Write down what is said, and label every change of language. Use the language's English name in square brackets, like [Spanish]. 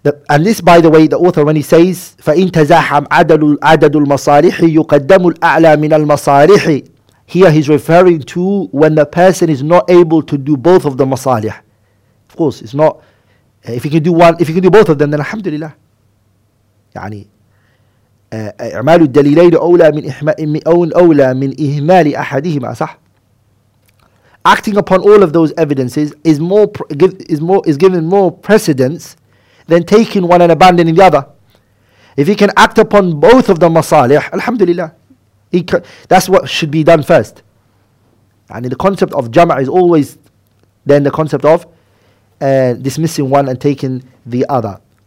[English] And this, by the way, the author, when he says, [Arabic] فَإِن تَزَاحَمْ عَدَدُ الْمَصَالِحِ يُقَدَّمُ الْأَعْلَى مِنَ الْمَصَالِحِ. [English] Here he's referring to when the person is not able to do both of the masalih. Of course, it's not, if he can do one, if he can do both of them, then alhamdulillah. [Arabic] يعني إعمال الدليلين أولى من أولى من إهمال أحدهما. صح. [English] Acting upon all of those evidences is given more precedence than taking one and abandoning the other. If he can act upon both of the masalih, alhamdulillah, that's what should be done first. And the concept of jama' is always then the concept of dismissing one and taking the other.